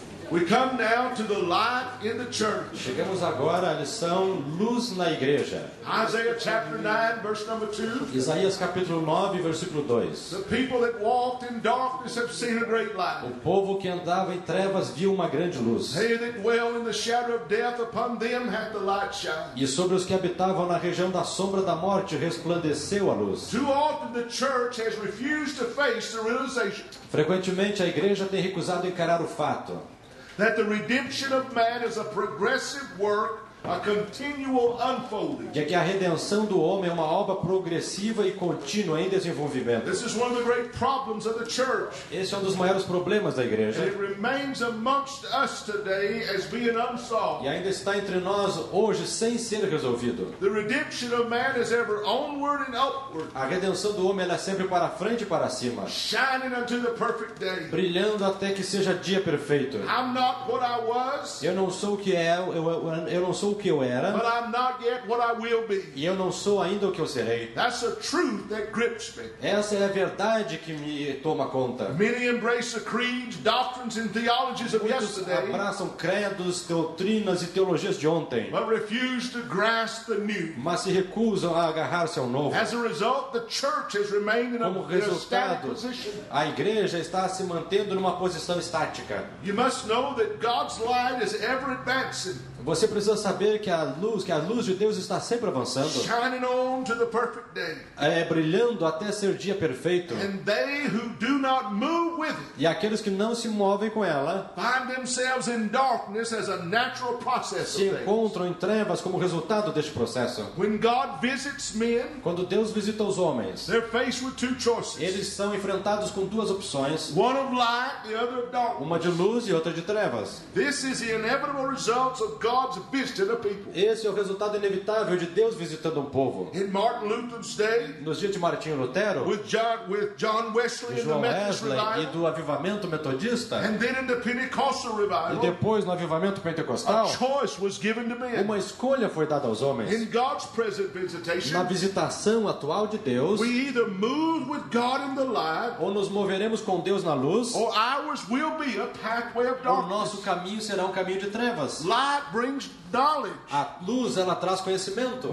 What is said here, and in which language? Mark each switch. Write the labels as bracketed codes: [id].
[en] We come now to the light in the church. [pt] Chegamos agora à lição Luz na Igreja. [en] Isaiah chapter 9, verse number 2. [pt] Isaías capítulo 9, versículo 2. [en] The people that walked in darkness have seen a great light. [pt] O povo que andava em trevas viu uma grande luz. [en] They that dwell in the shadow of death, upon them hath the light shined. [pt] E sobre os que habitavam na região da sombra da morte resplandeceu a luz. [en] Too often the church has refused to face the realization. [pt] Frequentemente a igreja tem recusado encarar o fato. [en] That the redemption of man is a progressive work, a continual unfolding. [pt] De que a redenção do homem é uma obra progressiva e contínua em desenvolvimento. [en] This is one of the great problems of the church. [pt] Esse é um dos maiores problemas da igreja. [en] And it remains amongst us today as being unsolved. [pt] E ainda está entre nós hoje sem ser resolvido. [en] The redemption of man is ever onward and upward. [pt] A redenção do homem é sempre para frente e para cima. [en] Shining unto the perfect day. [pt] Brilhando até que seja dia perfeito. [en] I'm not what I was. [pt] Eu não sou o que é. Eu não sou sou o que eu era, [en] but I'm not yet what I will be. [pt] E eu não sou ainda o que eu serei. [en] That's a truth that grips me. [pt] Essa é a verdade que me toma conta. [en] Many embrace the creeds, doctrines and theologies of yesterday. [pt] Muitos abraçam credos, doutrinas e teologias de ontem, [en] but refuse to grasp the new. [pt] Mas se recusam a agarrar-se ao novo. [en] As a result, the church has remained in a static position. [pt] A igreja está se mantendo numa posição estática. [en] You must know that God's light is ever advancing. [pt] Você precisa saber que a luz de Deus está sempre avançando. [en] Shining on to the perfect day. [pt] É brilhando até ser dia perfeito. [en] And they who do not move with it, [pt] e aqueles que não se movem com ela, [en] find themselves in darkness as a natural process [pt] se encontram em trevas como resultado deste processo. [en] When God visits men, [pt] quando Deus visita os homens, [en] they're faced with two choices. [pt] Eles são enfrentados com duas opções. [en] One of light, the other of darkness. [pt] Uma de luz e outra de trevas. [en] This is the inevitable result of God's visiting a people. [pt] Esse é o resultado inevitável de Deus visitando um povo. [en] In Martin Luther's day, [pt] nos dias de Martinho Lutero, [en] with John Wesley, [pt] João [en] and the Methodist [pt] Wesley [en] revival, [pt] e do avivamento metodista, [en] and then in the Pentecostal revival, [pt] e depois no avivamento pentecostal, [en] a choice was given to men. [pt] Uma escolha foi dada aos homens. [en] In God's present visitation, [pt] na visitação atual de Deus, [en] we either move with God in the light, [pt] ou nos moveremos com Deus na luz, [en] or ours will be a pathway of darkness. [pt] Ou nosso caminho será um caminho de trevas. [en] Light brings knowledge. [pt] A luz, ela traz conhecimento.